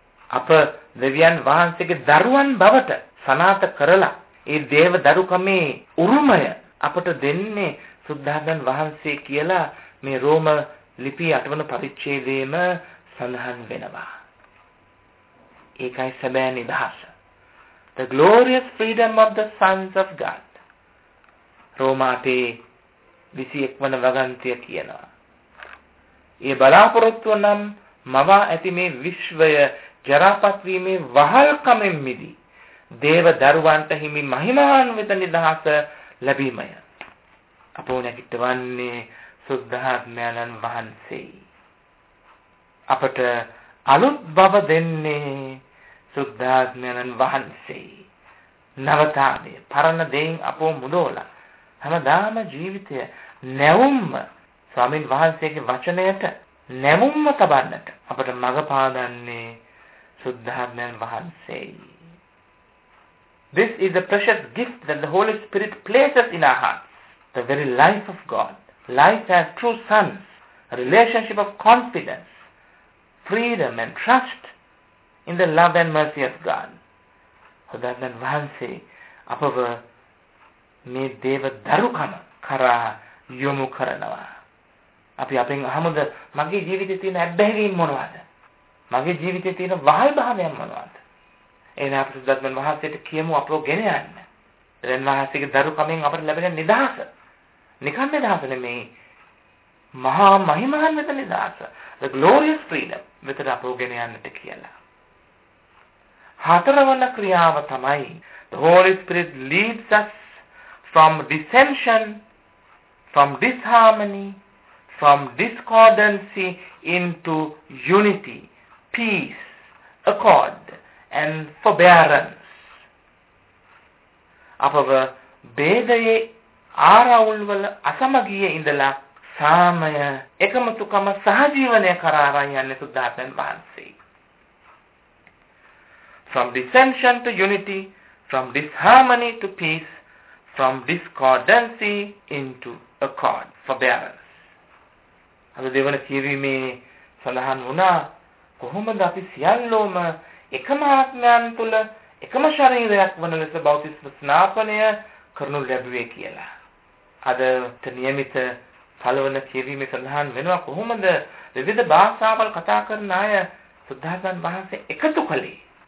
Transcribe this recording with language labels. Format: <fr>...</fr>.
<si>අප දෙවියන් වහන්සේගේ දරුවන් බවට සනාත කරලා ඒ දේව දරුකමේ උරුමය අපට දෙන්නේ සුද්ධාගමයන් වහන්සේ කියලා මේ රෝම ලිපිය 8 වන පරිච්ඡේදයේම සඳහන් වෙනවා. ඒකයි සැබෑ නිදහස.</si> <en>The glorious freedom of the sons of God.</en> <si>රෝමාපේ 21 වන වගන්තිය කියනවා. ඒ බලාපොරොත්තු නම් මව ඇති මේ විශ්වය ජරාපත් වීමේ වහල්කමෙන් මිදී දේව දරුවන්ට හිමි මහිමාන්විත නිදහස ලැබීමය. අපෝ නැගිටවන්නේ සුද්ධාත්මයන් වහන්සේ. අපට අලුත් බව දෙන්නේ සුද්ධාත්මයන් වහන්සේ. නවතාවේ පරණ දෙයින් අපෝ මුදෝලා හැමදාම ජීවිතය නැවුම්ම ස්වාමින් වහන්සේගේ වචනයට නැවුම්ම තබන්නට අපට මඟ පාදන්නේ සුද්ධාත්මයන් වහන්සේ.</si> <en>This is a precious gift that the Holy Spirit places in our hearts. The very life of God. Life as true sons. A relationship of confidence, freedom and trust in the love and mercy of God.</en> <si>සුද්ධාත්මයන් වහන්සේ අපව මේ දේව දරුකම කරා යොමු කරනවා. අපි අපෙන් අහමුද මගේ ජීවිතේ තියෙන අබ්බැහිවීම මොනවද? මගේ ජීවිතේ තියෙන වහල් භාවයන් මොනවද? එහෙනම් අපි සුද්ධාත්මයන් වහන්සේට කියමු අපව ගෙන යන්න. දැන් වහන්සේගේ දරුකමෙන් අපට ලැබෙන නිදහස. නිකන් නිදහස නෙමෙයි. මහා මහිමාන්විත නිදහස.</si> <en>The glorious freedom</en> <si>විතර අපව ගෙන යන්නට කියලා. හතරවන ක්‍රියාව තමයි</si> <en>the Holy Spirit leads us from dissension, from disharmony, from discordancy into unity, peace, accord, and forbearance.</en> <si>අපව බේදයේ ආරවුල්වල අසමගිය ඉඳලා සාමය, එකමුතුකම සහජීවනය කරාරයි යන්නේ සුද්ධාත්මයන් වහන්සේ.</si> <en>From dissension to unity, from disharmony to peace, from discordancy into accord, forbearance.</en> <si>අද දෙවන කීවීමේ සඳහන් වුණා කොහොමද අපි සියල්ලෝම එකම ආත්මයන් තුල එකම ශරීරයක් වන ලෙස බෞතිස්ම ස්නාපණය කරනු ලැබුවේ කියලා. අද නියමිත පළවන කීවීමේ සඳහන් වෙනවා කොහොමද විවිධ භාෂාවල් කතා කරන අය සුද්ධාගම වහන්සේ එකතු කළේ.</si>